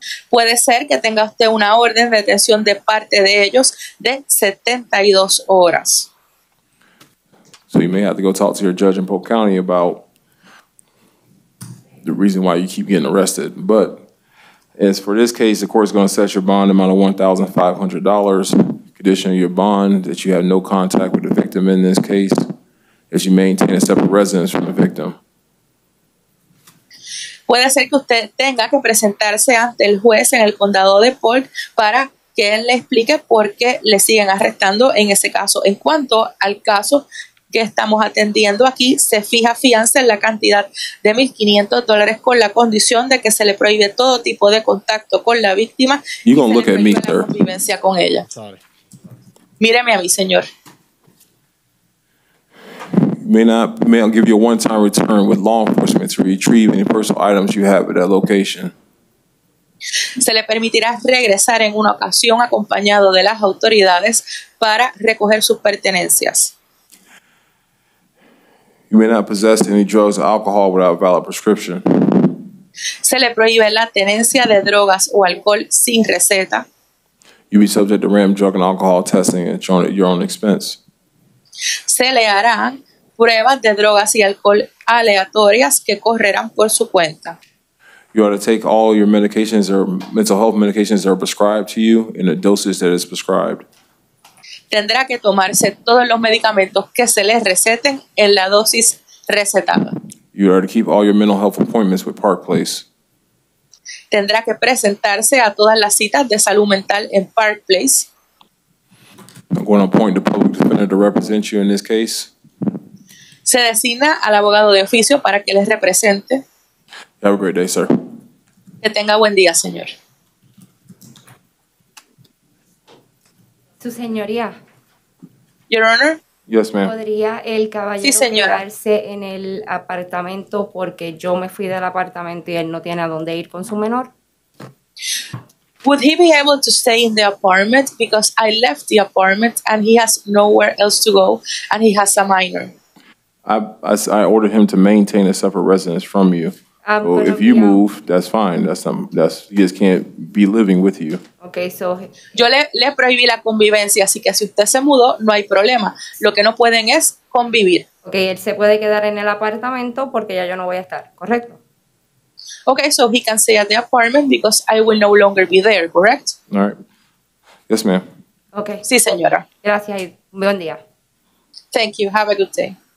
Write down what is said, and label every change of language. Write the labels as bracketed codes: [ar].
[es] Puede ser que tenga usted una orden de detención de parte de ellos de 72 horas. [en] So you may have to go talk to your judge in Polk County about the reason why you keep getting arrested, but... As for this case, the court is going to set your bond amount of $1,500, condition of your bond, that you have no contact with the victim in this case, as you maintain a separate residence from the victim. [es] Puede ser que usted tenga que presentarse ante el juez en el condado de Polk para que él le explique por qué le siguen arrestando en ese caso. En cuanto al caso que estamos atendiendo aquí, se fija fianza en la cantidad de $1,500 con la condición de que se le prohíbe todo tipo de contacto con la víctima y se le prohíbe la convivencia con ella. Míreme a mí, señor. [en] May I give you a one-time return with law enforcement to retrieve any personal items you have at that location. [es] Se le permitirá regresar en una ocasión acompañado de las autoridades para recoger sus pertenencias. [en] You may not possess any drugs or alcohol without a valid prescription. [es] Se le prohíbe la tenencia de drogas o alcohol sin receta. [en] You be subject to random drug and alcohol testing at your own expense. [es] Se le harán pruebas de drogas y alcohol aleatorias que correrán por su cuenta. [en] You ought to take all your medications or mental health medications that are prescribed to you in the doses that is prescribed. [es] Tendrá que tomarse todos los medicamentos que se les receten en la dosis recetada. [en] You are to keep all your mental health appointments with Park Place. [es] Tendrá que presentarse a todas las citas de salud mental en Park Place. [en] I'm going to appoint the public defender to represent you in this case. [es] Se designa al abogado de oficio para que les represente. [en] Have a great day, sir. [es] Que tenga buen día, señor. Su señoría. [en] Your Honor. Yes, ma'am. [es] ¿Podría el caballero sí, señora. Quedarse en el apartamento porque yo me fui del apartamento y él no tiene a dónde ir con su menor? [en] Would he be able to stay in the apartment because I left the apartment and he has nowhere else to go and he has a minor? I ordered him to maintain a separate residence from you. So if you move, that's fine. That's he just can't be living with you. Okay, so [es] yo le prohibí la convivencia, así que si usted se mudó, no hay problema. Lo que no pueden es convivir. Okay, él se puede quedar en el apartamento porque ya yo no voy a estar, ¿correcto? [en] Okay, so he can stay at the apartment because I will no longer be there, correct? All right. Yes, ma'am. Okay. [es] Sí, señora. Gracias y buen día. [en] Thank you. Have a good day.